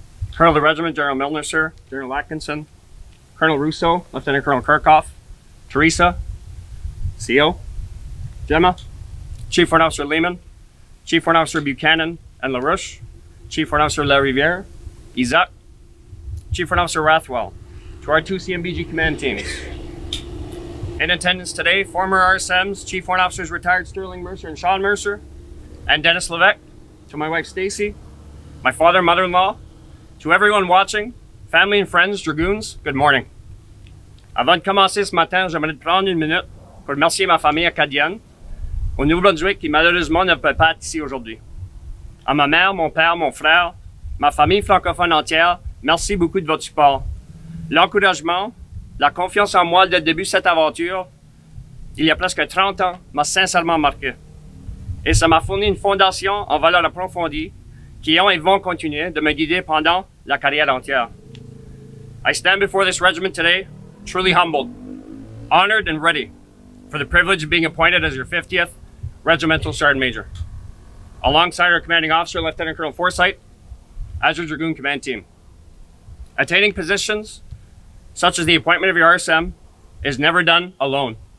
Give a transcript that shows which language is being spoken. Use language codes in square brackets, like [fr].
[en] Colonel of the Regiment, General Milner, sir, General Atkinson, Colonel Russo, Lieutenant Colonel Kirkhoff, Teresa, CO, Gemma, Chief Warrant Officer Lehman, Chief Warrant Officer Buchanan and LaRouche, Chief Warrant Officer LaRivière, Isaac, Chief Warrant Officer Rathwell, to our two CMBG command teams. In attendance today, former RSMs, Chief Warrant Officers retired Sterling Mercer and Sean Mercer, and Dennis Levesque, to my wife Stacy, my father and mother-in-law, to everyone watching, family and friends, Dragoons, good morning. [fr] Avant de commencer ce matin, j'aimerais prendre une minute pour remercier ma famille acadienne, au Nouveau-Brunswick, qui malheureusement ne peut pas être ici aujourd'hui. À ma mère, mon père, mon frère, ma famille francophone entière, merci beaucoup de votre support. L'encouragement, la confiance en moi dès le début de cette aventure, il y a presque 30 ans, m'a sincèrement marqué. Et ça m'a fourni une fondation en valeur approfondie qui ont et vont continuer de me guider pendant la carrière entière. [en] I stand before this regiment today, truly humbled, honored and ready for the privilege of being appointed as your 50th Regimental Sergeant Major, alongside our Commanding Officer, Lieutenant Colonel Forsythe, as your Dragoon Command Team. Attaining positions such as the appointment of your RSM is never done alone.